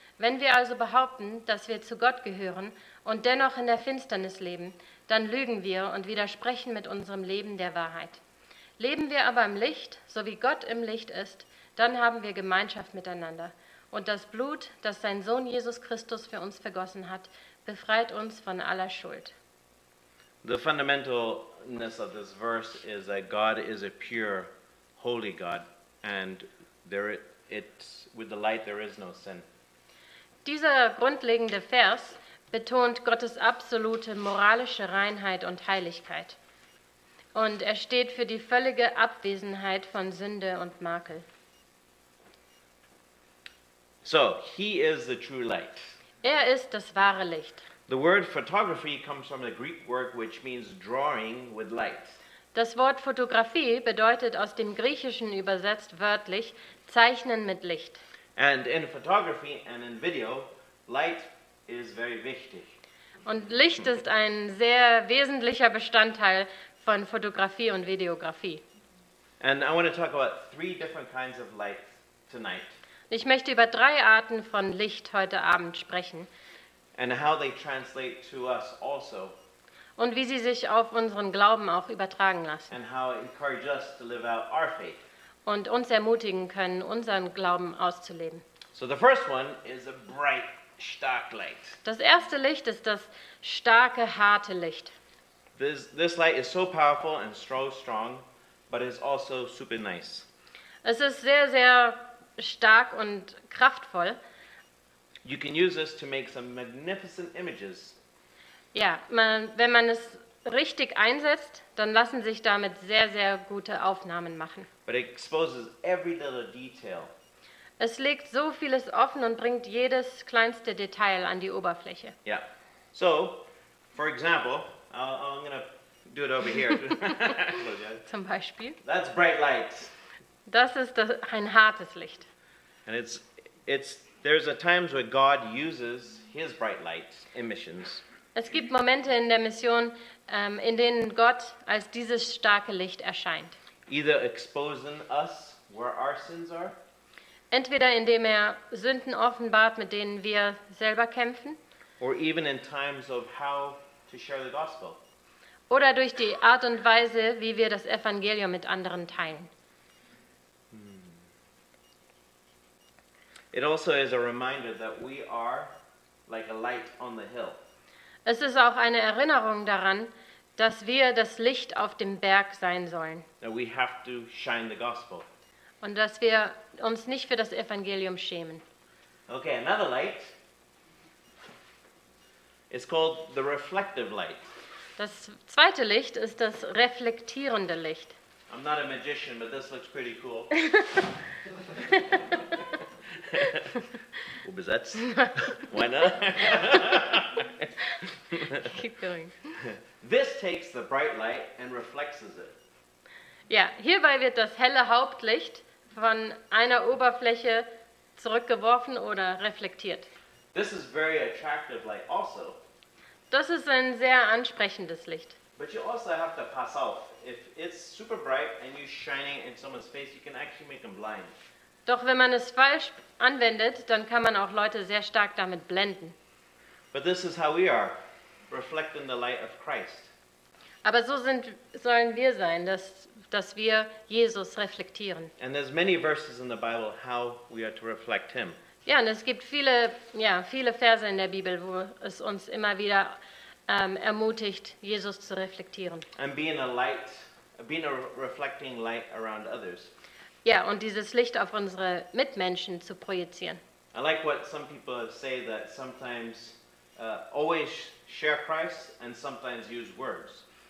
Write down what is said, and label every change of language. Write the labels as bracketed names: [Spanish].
[German] Wenn wir also behaupten, dass wir zu Gott gehören und dennoch in der Finsternis leben, dann lügen wir und widersprechen mit unserem Leben der Wahrheit. Leben wir aber im Licht, so wie Gott im Licht ist, dann haben wir Gemeinschaft miteinander. Und das Blut, das sein Sohn Jesus Christus für uns vergossen hat, befreit uns von aller Schuld. [English] The fundamentalness of this verse is that God is a pure, holy God, and with the light there is no sin. [German] Dieser grundlegende Vers betont Gottes absolute moralische Reinheit und Heiligkeit. Und er steht für die völlige Abwesenheit von Sünde und Makel. [English] So, he is the true light. [German] Er ist das wahre Licht. [English] The word photography comes from the Greek word which means drawing with light. [German] Das Wort Fotografie bedeutet aus dem Griechischen übersetzt wörtlich Zeichnen mit Licht. [English] And in photography and in video, light is very wichtig. [German] Und Licht ist ein sehr wesentlicher Bestandteil von Fotografie und Videografie. [English] And I want to talk about three different kinds of light tonight. [German] Ich möchte über drei Arten von Licht heute Abend sprechen. [English] And how they translate to us also. [German] Und wie sie sich auf unseren Glauben auch übertragen lassen. [English] And how it encourages us to live out our faith. [German] Und uns ermutigen können, unseren Glauben auszuleben. [English] So the first one is a bright, stark light. [German] Das erste Licht ist das starke, harte Licht. [English] This light is so powerful and so strong, but it's also super nice. [German] Es ist sehr, sehr stark und kraftvoll. [English] You can use this to make some magnificent images. [German] Ja, wenn man es richtig einsetzt, dann lassen sich damit sehr, sehr gute Aufnahmen machen. [English] But it exposes every little detail. [German] Es legt so vieles offen und bringt jedes kleinste Detail an die Oberfläche. [English] Yeah. So, for example, I'm going to do it over here. [German] Zum Beispiel. [English] That's bright lights. [German] Das ist ein hartes Licht. [English] And there's a times where God uses his bright light emissions. [German] Es gibt Momente in der Mission, in denen Gott als dieses starke Licht erscheint. [English] Either exposing us where our sins are. [German] Entweder indem er Sünden offenbart, mit denen wir selber kämpfen. [English] Or even in times of how to share the gospel. [German] Oder durch die Art und Weise, wie wir das Evangelium mit anderen teilen. [English] It also is a reminder that we are like a light on the hill. [German] Es ist auch eine Erinnerung daran, dass wir das Licht auf dem Berg sein sollen. [English] That we have to shine the gospel. [German] Und dass wir uns nicht für das Evangelium schämen. [English] Okay, another light. It's called the reflective light. [German] Das zweite Licht ist das reflektierende Licht. [English] I'm not a magician, but this looks pretty cool. Besetzt. Why not? Keep going. This takes the bright light and reflects it. [German] Ja, hierbei wird das helle Hauptlicht von einer Oberfläche zurückgeworfen oder reflektiert. [English] This is very attractive light also. [German] Das ist ein sehr ansprechendes Licht. [English] But you also have to pass off. If it's super bright and you're shining in someone's face, you can actually make them blind. [German] Doch wenn man es falsch anwendet, dann kann man auch Leute sehr stark damit blenden. [English] But this is how we are, reflecting the light of Christ. [German] Aber so sollen wir sein, dass wir Jesus reflektieren. [English] And there's many verses in the Bible how we are to reflect him. [German] Ja, und es gibt viele Verse in der Bibel, wo es uns immer wieder ermutigt, Jesus zu reflektieren. [English] And being a reflecting light around others. [German] Ja, und dieses Licht auf unsere Mitmenschen zu projizieren. [English] I like what some people say that sometimes always share Christ and sometimes use words.